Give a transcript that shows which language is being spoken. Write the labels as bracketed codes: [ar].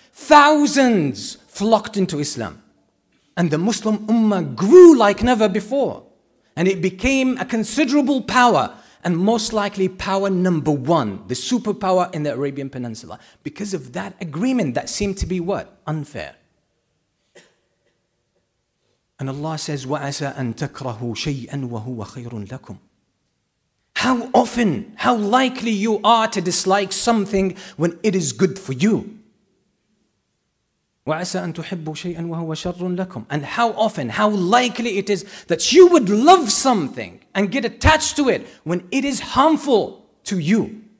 [en] Thousands flocked into Islam. And the Muslim Ummah grew like never before. And it became a considerable power. And most likely power number one. The superpower in the Arabian Peninsula. Because of that agreement that seemed to be what? Unfair. And Allah says, [ar] وَعَسَىٰ أَن تَكْرَهُ شَيْئًا وَهُوَ خَيْرٌ لَكُمْ. [en] How often, how likely you are to dislike something when it is good for you. [ar] وَعَسَىٰ أَن تُحِبُّ شَيْئًا وَهُوَ شَرٌ لَكُمْ. [en] And how often, how likely it is that you would love something and get attached to it when it is harmful to you.